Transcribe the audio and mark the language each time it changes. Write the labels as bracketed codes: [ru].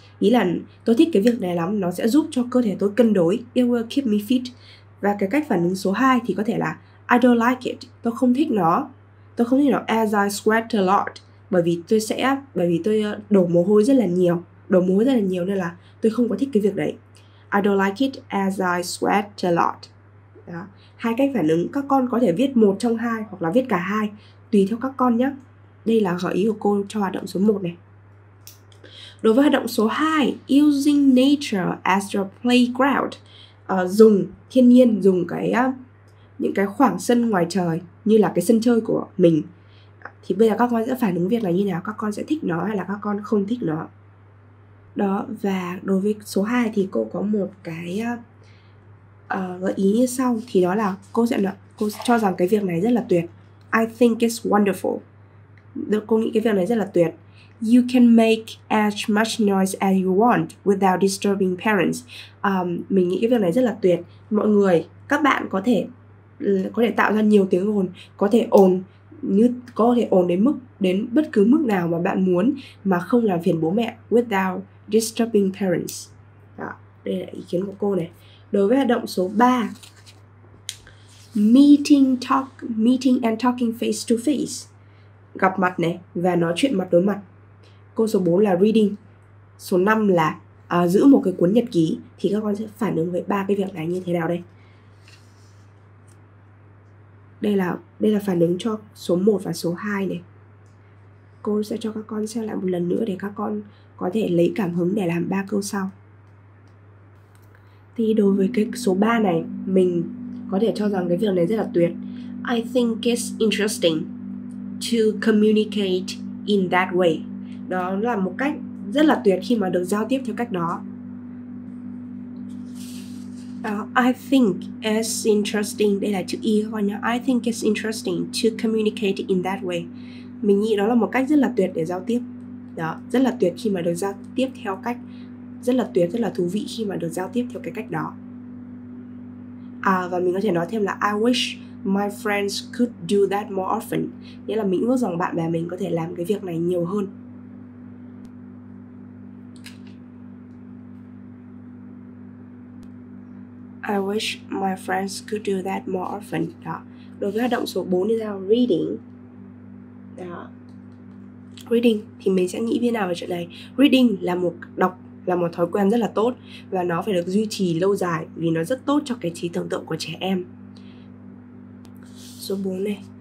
[vi] Ý là tôi thích cái việc này lắm, nó sẽ giúp cho cơ thể tôi cân đối. [en] It will keep me fit. [vi] Và cái cách phản ứng số 2 thì có thể là [en] I don't like it, [vi] tôi không thích nó. Tôi không thích nó [en] as I sweat a lot. [vi] Bởi vì tôi đổ mồ hôi rất là nhiều. Đổ mồ hôi rất là nhiều nên là tôi không có thích cái việc đấy. [en] I don't like it as I sweat a lot. [vi] Đó. Hai cách phản ứng, các con có thể viết một trong hai hoặc là viết cả hai, tùy theo các con nhé. Đây là gợi ý của cô cho hoạt động số 1 này. Đối với hoạt động số 2, [en] using nature as your playground. [vi] Dùng thiên nhiên, dùng cái những cái khoảng sân ngoài trời như là cái sân chơi của mình. Thì bây giờ các con sẽ phản ứng việc là như nào, các con sẽ thích nó hay là các con không thích nó. Đó, và đối với số 2 thì cô có một cái gợi ý như sau. Thì đó là cô cho rằng cái việc này rất là tuyệt. [en] I think it's wonderful. [vi] Cô nghĩ cái việc này rất là tuyệt. [en] You can make as much noise as you want without disturbing parents. [vi] Mình nghĩ cái việc này rất là tuyệt. Mọi người, các bạn có thể tạo ra nhiều tiếng ồn, có thể ồn đến bất cứ mức nào mà bạn muốn mà không làm phiền bố mẹ, [en] without disturbing parents. [vi] Đó, đây là ý kiến của cô này. Đối với hoạt động số 3, [en] meeting and talking face to face, [vi] gặp mặt này và nói chuyện mặt đối mặt. Câu số 4 là reading, số 5 là giữ một cái cuốn nhật ký. Thì các con sẽ phản ứng với 3 cái việc này như thế nào đây? Đây là phản ứng cho số 1 và số 2 này. Cô sẽ cho các con xem lại một lần nữa để các con có thể lấy cảm hứng để làm 3 câu sau. Thì đối với cái số 3 này, mình có thể cho rằng cái việc này rất là tuyệt. [en] I think it's interesting to communicate in that way. [vi] Đó là một cách rất là tuyệt khi mà được giao tiếp theo cách đó. [en] I think it's interesting. [vi] Đây là chữ y hoa nhá. [en] I think it's interesting to communicate in that way. [vi] Mình nghĩ đó là một cách rất là tuyệt để giao tiếp. Đó, rất là tuyệt khi mà được giao tiếp theo cách. Rất là tuyệt, rất là thú vị khi mà được giao tiếp theo cái cách đó. Và mình có thể nói thêm là [en] I wish my friends could do that more often. [vi] Nghĩa là mình ước rằng bạn bè mình có thể làm cái việc này nhiều hơn. [en] I wish my friends could do that more often. [vi] Đó. Đối với hoạt động số 4 thì sao? Reading. Đó. Reading thì mình sẽ nghĩ như thế nào về chuyện này? Reading là một đọc, là một thói quen rất là tốt và nó phải được duy trì lâu dài vì nó rất tốt cho cái trí tưởng tượng của trẻ em. Số 4 này.